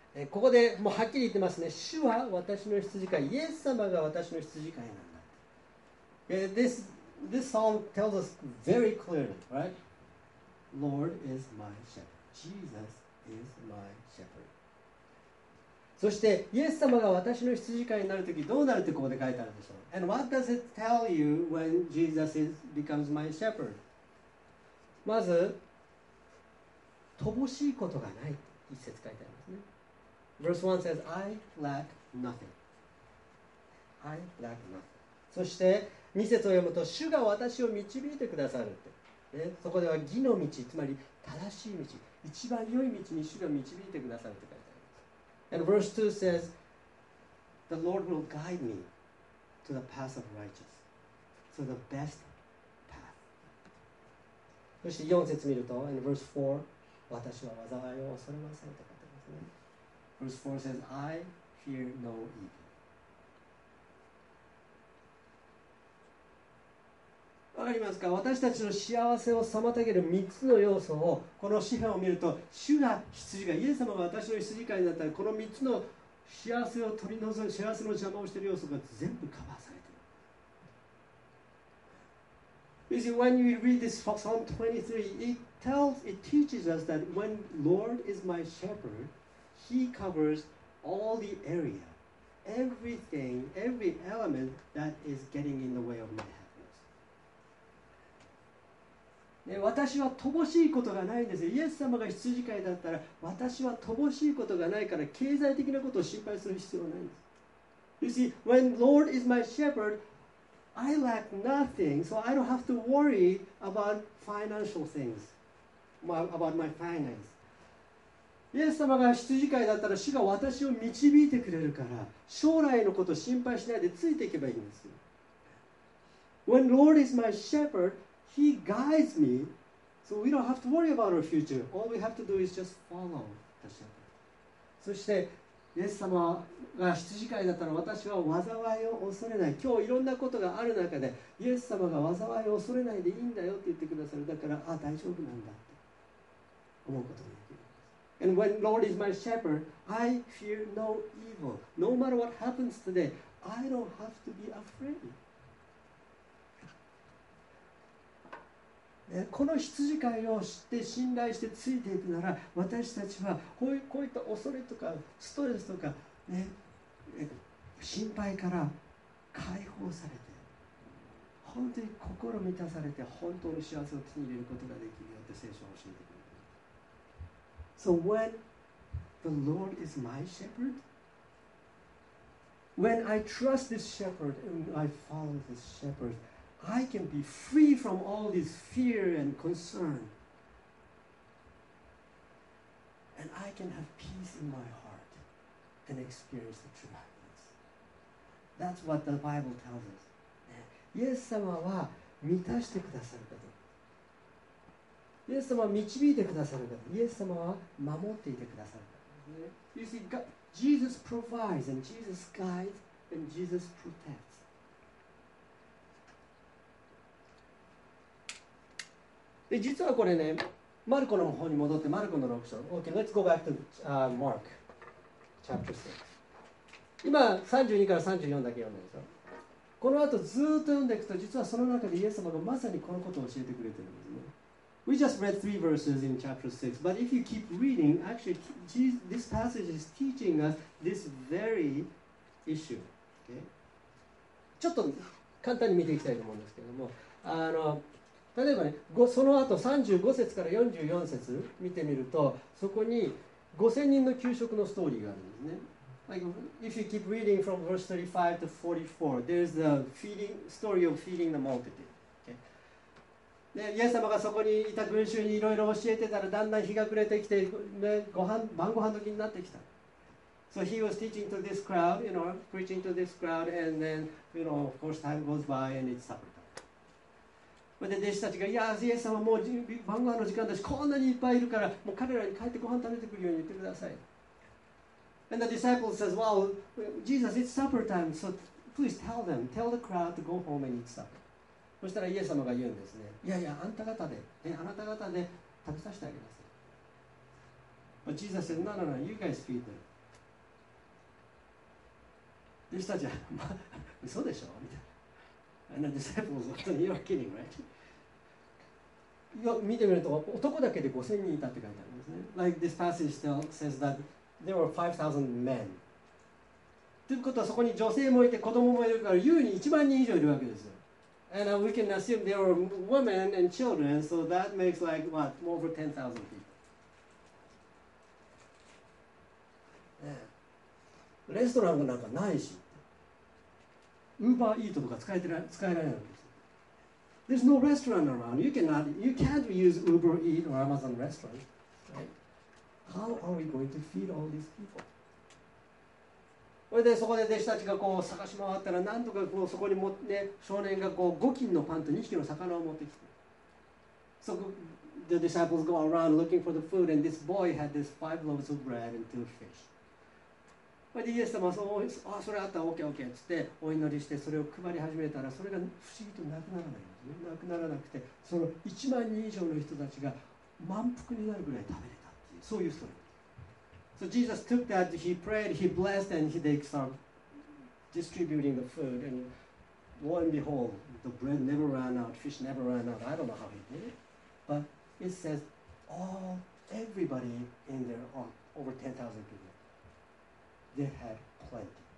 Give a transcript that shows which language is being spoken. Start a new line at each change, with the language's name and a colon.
Japanese: ここでもうはっきり言ってますね。主は私の羊飼い、イエス様が私の羊飼いなんだ。
English: This psalm tells us very clearly, right? Lord is my shepherd. Jesus is my shepherd.
Japanese: そしてイエス様が私の羊飼いになるときどうなるってここで書いてあるでしょう。
English: And what does it tell you when Jesus becomes my shepherd?
Japanese: まず、乏しいことがない。一節書いてありますね。
English: Verse 1 says, I lack nothing. I lack nothing.
Japanese: そして、2節を読むと、主が私を導いてくださるって、ね、そこでは義の道、つまり正しい道、一番良い道に主が導いてくださるって書いてあります。
English: And verse 2 says, The Lord will guide me to the path of righteousness, to the best path.
Japanese: そして4節見ると、
English: And verse 4,
Japanese: 私は災いを恐れませんって書いてありますね。
English: Verse 4 says, I fear no evil.
Japanese: わかりますか？私たちの幸せを妨げる3つの要素をこの詩篇を見ると、主が羊がイエス様が私の羊飼いになったら、この3つの幸せを取り除く、幸せの邪魔をしている要素が全部カバーされている
English: You see, when we read this Psalm 23, it teaches us that when Lord is my shepherd, he covers all the area, everything, every element that is getting in the way of my health.
Japanese: ね、私は乏しいことがないんですよ。イエス様が羊飼いだったら、私は乏しいことがないから、経済的なことを心配する必要はないんです。
English: You see, when Lord is my shepherd, I lack nothing, so I don't have to worry about financial things, about my finance.
Japanese: イエス様が羊飼いだったら、主が私を導いてくれるから、将来のことを心配しないでついていけばいいんですよ。
English: When Lord is my shepherd,He guides me, so we don't have to worry about our future. All we have to do is just follow the shepherd.
Japanese: そして、イエス様が羊飼いだったら、私は災いを恐れない。今日いろんなことがある中で、イエス様が災いを恐れないでいいんだよって言ってくださる。だから、ああ、大丈夫なんだって思うことができる。
English: And when Lord is my shepherd, I fear no evil. No matter what happens today, I don't have to be afraid.
Japanese: この羊飼いを知って信頼してついていくなら、私たちはこういった恐れとかストレスとか、ね、心配から解放されて、本当に心満たされて、本当の幸せを手に入れることができるよって聖書を教えてくれる。
English: So when the Lord is my shepherd, when I trust this shepherd and I follow this shepherd,I can be free from all this fear and concern. And I can have peace in my heart and experience the true happiness. That's what the Bible tells us.
Japanese: イエス様は満たしてくださる方。イエス様は導いてくださる方。イエス様は守っていてくださる方。
English: You see, God, Jesus provides and Jesus guides and Jesus protects.
Japanese: で実はこれね、マルコの方に戻って、マルコの6章。
English: OK, let's go back to Mark, chapter 6.
Japanese: 今、32から34だけ読んでるんですよ。この後ずっと読んでいくと、実はその中でイエス様がまさにこのことを教えてくれてるんですね。
English: We just read three verses in chapter 6, but if you keep reading, actually, Jesus, this passage is teaching us this very issue. Okay?
Japanese: ちょっと簡単に見ていきたいと思うんですけども、例えばね、その後35節から44節見てみると、そこに5000人の給食のストーリーがあるんですね。
English: Like, if you keep reading from verse 35 to 44, there's the feeding, story of feeding the multitude.
Japanese: で、イエス様がそこにいた群衆にいろいろ教えてたら、だんだん日が暮れてきて、ね、晩ご飯時になってきた。
English: So he was teaching to this crowd, you know, preaching to this crowd, and then, you know, of course, time goes by and it's supper.
Japanese: で弟子たちが、いや、イエス様もう晩御飯の時間だし、こんなにいっぱいいるから、もう彼らに帰ってご飯食べてくるように言ってください。
English: And the disciples says, well, Jesus, it's supper time, so please tell them, tell the crowd to go home and eat supper.
Japanese: そしたらイエス様が言うんですね、いやいや、あんた方で、あなた方で食べさせてあげなさい。
English: But Jesus said, no, no, no, you guys feed them.
Japanese: 弟子たちは、まあ、嘘でしょみたいな。
English: And the disciples, you're kidding, right?
Japanese: いや、見てみると男だけで5000人いたって書いてあるんですね。
English: Like this passage still says that there were 5,000 men.
Japanese: ということはそこに女性もいて子供もいるから優に1万人以上いるわけですよ。
English: And we can assume there were women and children, so that makes like what, more over 10,000 people.
Japanese: レストランなんかないし。 Uber Eats とか使えないんです。
English: There's no restaurant around. You can't use Uber Eats or Amazon restaurant. Right? How are we going to feed all these people?
Japanese: でそこで弟子たちがこう探し回ったら、なんとかこうそこにも、ね、少年がこう5斤のパンと2匹の魚を持ってきて。
English: So the disciples go around looking for the food, and this boy had this 5 loaves of bread and 2 fish.
Japanese: イエス様はそう、あ、それあった、オッケーオッケーって言って、お祈りして、それを配り始めたら、それが不思議となくならないんですね。なくならなくて、その1万人以上の人たちが満腹になるぐらい食べれたっていう、そういうストーリー。
English: So Jesus took that, he prayed, he blessed, and they started distributing the food, and lo and behold, the bread never ran out, fish never ran out, I don't know how he did it, but it says, everybody in there, over 10,000 people,They had plenty.